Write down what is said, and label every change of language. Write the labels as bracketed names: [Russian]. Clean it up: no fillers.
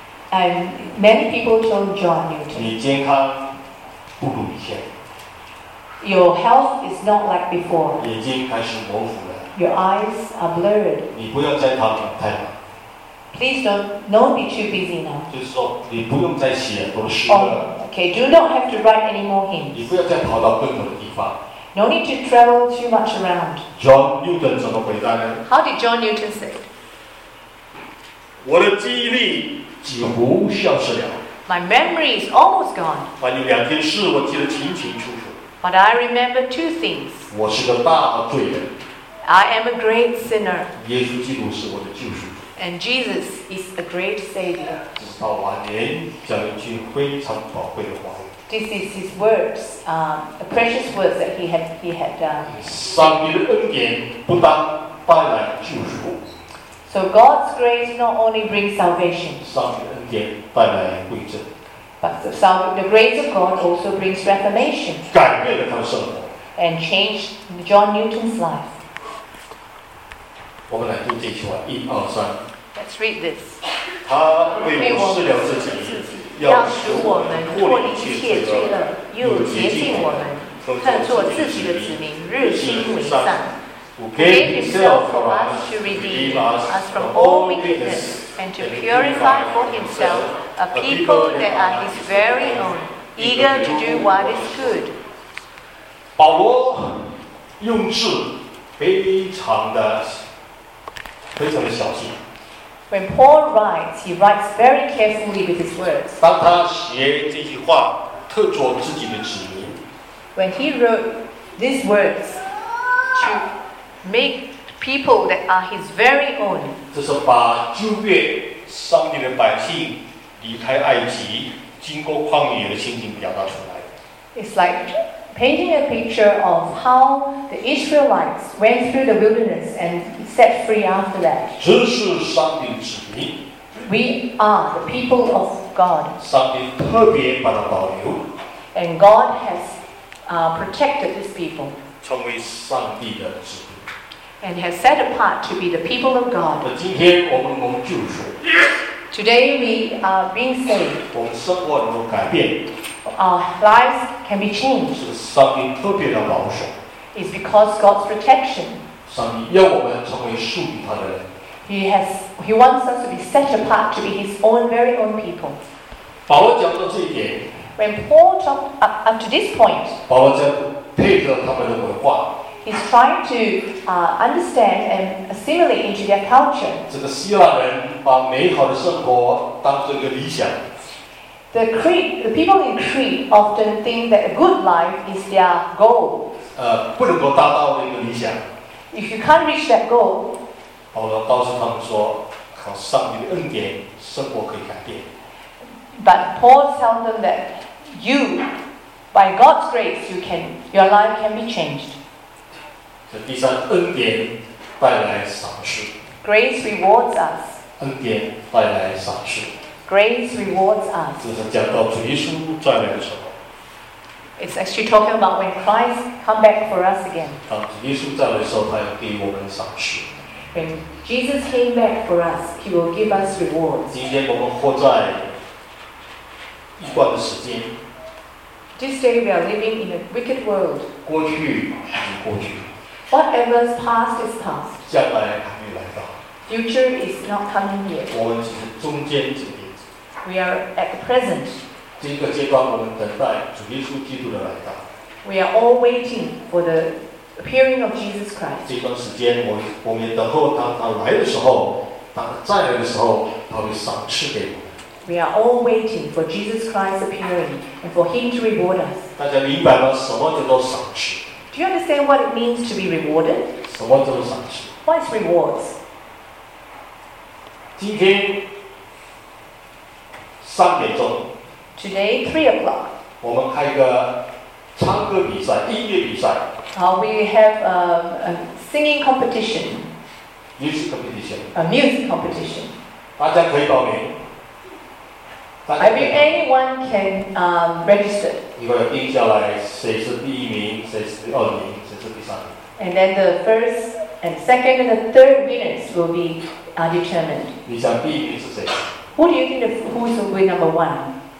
[English] And many people told John Newton, [Chinese] 你健康不如以前。 [English] Your health is not like before. [Chinese] 眼睛开始模糊了。 [English] Your eyes are blurred. [Chinese] 你不要再忙太忙。 [English] Please don't be too busy now. [Chinese] 就是说，你不用再写很多诗了。 [English] Okay, do not have to write any more hymns. [Chinese] 你不要再跑到更多的地方。 [English] No need to travel too much around. [Chinese] John Newton 怎么回答呢 [English] ？How did John Newton say? [Chinese] 我的记忆力几乎消失了。 [English] My memory is almost gone. [Chinese] 关于两件事，我记得清清楚楚。 [English] But I remember two things. [Chinese] 我是个大罪人。 [English] I am a great sinner. [Chinese] 耶稣基督是我的救赎主。 [English] And Jesus is a great savior. [Chinese] 直到晚年，讲一句非常宝贵的话语。 [English] This is his words, a precious words that he had done. [Chinese] 上帝的恩典不但带来救赎。 [English] So God's grace not only brings salvation. [Chinese] 上帝的恩典带来归正。 [English] But the grace of God also brings reformation. [Chinese] 改变了他的生活。 [English] And changed John Newton's life. [Chinese] 我们来读这句话，一二三。 [English] Let's read this. [Chinese] 他为我施了自己。要使我们脱离一切罪恶，又洁净我们，看作自己的子民，日新为善。 [English] Who gave himself for us to redeem us from all wickedness and to purify for himself a people that are his very own, eager to do what is good. [Chinese] 保罗用字非常的小心。 [English] When Paul writes, he writes very carefully with his words. [Chinese] 当他写这句话，特作自己的子民。 [English] When he wrote these words to make people that are his very own. [Chinese] 这是把旧约上帝的百姓离开埃及，经过旷野的情景表达出来。 [English] It's like painting a picture of how the Israelites went through the wilderness and set free after that. [Chinese] 这是上帝子民。 [English] We are the people of God. [Chinese] 上帝特别把他保留。 [English] And God has protected this people. [Chinese] 成为上帝的子民。 [English] And has set apart to be the people of God. [Chinese] 那今天我们蒙救赎。 [English] Today we are being saved. [Chinese] 我们生活能够改变。 [English] Our lives can be changed. [Chinese] 是上帝特别的保守。 [English] It's because God's protection. [Chinese] 上帝要我们成为属于他的人。 [English] He wants us to be set apart to be His own very own people. [Chinese] 保罗讲到这一点。 [English] When Paul talked up to this point. [Chinese] 保罗在配合他们的文化。 [English] He's trying to understand and assimilate into their culture. [Chinese] 这个希腊人把美好的生活当作一个理想。 [English] The people in Crete often think that a good life is their goal. [Chinese] 不能够达到的一个理想。 [English] If you can't reach that goal, [Chinese] 保罗告诉他们说，靠上帝的恩典，生活可以改变。 [English] But Paul tells them that you, by God's grace, you can, your life can be changed. [Chinese] 这第三，恩典带来赏赐。 [English] Grace rewards us. [Chinese] 恩典带来赏赐。 [English] Grace rewards us. [Chinese] 这是讲到主耶稣再来的时候。 [English] It's actually talking about when Christ come back for us again. [Chinese] 当主耶稣再来的时候，他要给我们赏赐。 [English] When Jesus came back for us, He will give us rewards. [Chinese] 今天我们活在一贯的时间。 [English] This day we are living in a wicked world. [Chinese] 过去是过去。 [English] Whatever's past is past. [Chinese] 将来还没来到。 [English] Future is not coming yet. [Chinese] 我们只是中间者。 [English] We are at the present. [Chinese] 这个阶段我们等待主耶稣基督的来到。 [English] We are all waiting for the appearing of Jesus Christ. [Chinese] 这段时间我们等候他来的时候，他再来的时候，他会赏赐给我们。 [English] We are all waiting for Jesus Christ's appearing and for Him to reward us. [Chinese] 大家明白吗？什么叫做赏赐？ [English] Do you understand what it means to be rewarded? [Chinese] 什么叫做赏赐？ [English] What is rewards? [Chinese] 今天三点钟 [English] ，Today 3 o'clock， [Chinese] 我们开一个唱歌比赛，音乐比赛。 [English] We have a singing competition. Music competition. A music competition. [Chinese] 大家可以报名。 [English] Anyone can register. [Chinese] 你会定下来谁是第一名，谁是第二名，谁是第三名。 [English] And then the first and second and the third winners will be determined. [Chinese] 你想第一名是谁？ [English] Who do you think who is going to be number one?